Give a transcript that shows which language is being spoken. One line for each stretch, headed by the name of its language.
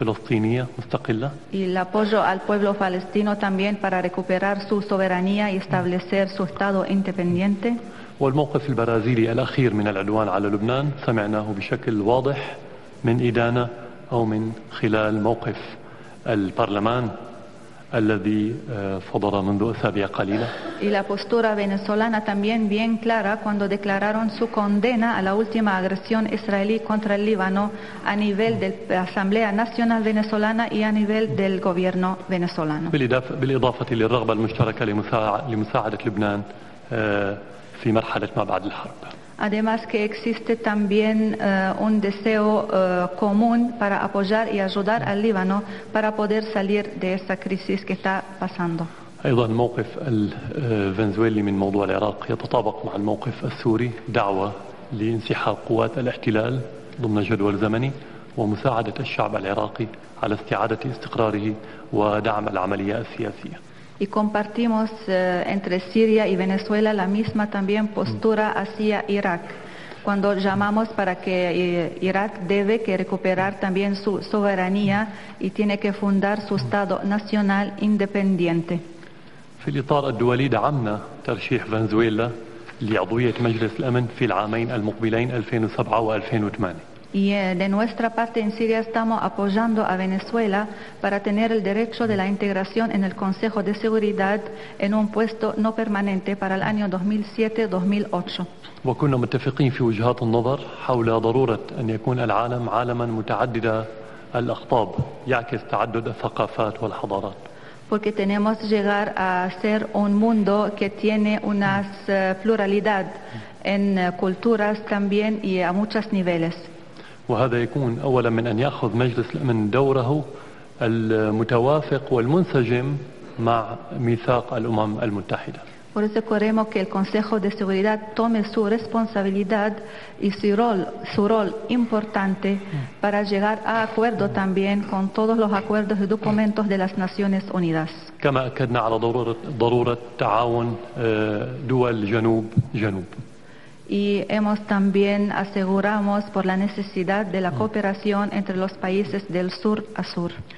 Spanish: Y el apoyo al pueblo palestino también para recuperar su soberanía y establecer su estado independiente.
Arabic: والموقف البرازيلي الأخير من العدوان على لبنان سمعناه بشكل واضح من إدانة أو من خلال موقف البرلمان الذي صدر منذ أسابيع قليلة.
Spanish: Y la postura venezolana también bien clara cuando declararon su condena a la última agresión israelí contra el Líbano a nivel de la Asamblea Nacional Venezolana y a nivel del gobierno venezolano.
Arabic: بالإضافة للرغبة المشتركة لمساعدة لبنان في مرحلة ما بعد الحرب.
Spanish: Además que existe también un deseo común para apoyar y ayudar al Líbano para poder salir de esta crisis que está pasando.
Arabic: أيضا موقف الفنزويلي من موضوع العراق يتطابق مع الموقف السوري دعوة لانسحاب قوات الاحتلال ضمن جدول زمني ومساعدة الشعب العراقي على استعادة استقراره ودعم العملية السياسية.
Spanish: Y compartimos entre Siria y Venezuela la misma también postura hacia Irak, cuando llamamos para que Irak debe que recuperar también su soberanía y tiene que fundar su Estado Nacional Independiente.
Arabic: في الإطار الدولي دعمنا ترشيح فنزويلا لعضوية مجلس الأمن في العامين المقبلين 2007 و2008.
Spanish: Y de nuestra parte en Siria estamos apoyando a Venezuela para tener el derecho de la integración en el Consejo de Seguridad en un puesto no permanente para el año 2007-2008. Porque tenemos que llegar a ser un mundo que tiene una pluralidad en culturas también y a muchos niveles.
Arabic: وهذا يكون أولا من أن يأخذ مجلس الأمن دوره المتوافق والمنسجم مع ميثاق الأمم المتحدة.
Spanish: Por eso queremos que el Consejo de Seguridad tome su responsabilidad y su rol importante para llegar a acuerdo también con todos los acuerdos y documentos de las Naciones Unidas. Y hemos también aseguramos por la necesidad de la cooperación entre los países del sur a sur.